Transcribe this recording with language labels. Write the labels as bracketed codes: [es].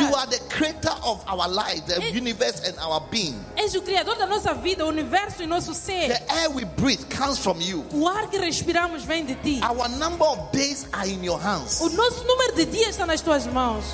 [en] You are the creator of our life, the universe and our being. [pt] És o criador da nossa vida, o universo e nosso ser. [en] The air we breathe comes from you. [pt] O ar que respiramos vem de ti. [en] Our number of days are in your hands. [pt] O nosso número de dias está nas tuas mãos.